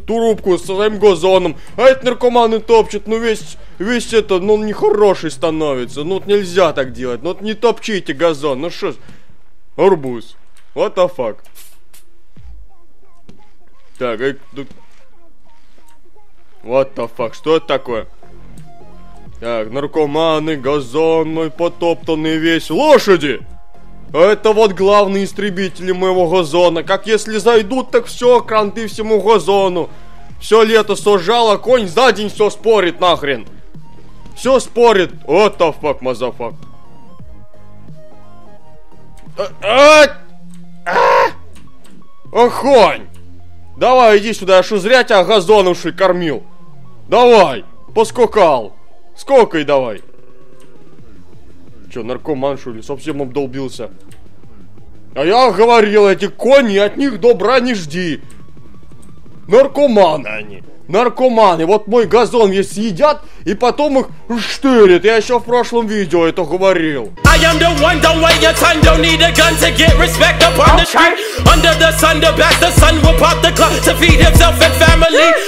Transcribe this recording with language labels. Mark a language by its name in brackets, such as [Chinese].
[Russian] Трубку с своим газоном. А это наркоманы топчут. Ну весь это, ну нехороший становится. Ну вот нельзя так делать. Ну вот не топчите газон, ну шо... Арбуз. [English] What the fuck? [Russian] Так, [English] What the fuck? [Russian] Что это такое? Так, наркоманы, газон мой потоптанный весь. Лошади! Это вот главные истребители моего газона. Как если зайдут, так все, кранты всему газону. Все лето сажал, а конь за день все спорит нахрен. Все спорит. [English] What the fuck, мазафак? [Russian] Охонь! Давай, иди сюда, я шо зря тебя газоном шо кормил? Давай, поскакал. Скокай давай. Чё, наркоман шо ли, совсем обдолбился? А я говорил, эти кони, от них добра не жди. Наркоманы они. Наркоманы, вот мой газон весь съедят и потом их штырят. Я еще в прошлом видео это говорил. [English] I am the one, don't waste your time, don't need a gun to get respect up on the street. Under the sun, the best, the sun will pop the clock to feed himself and family.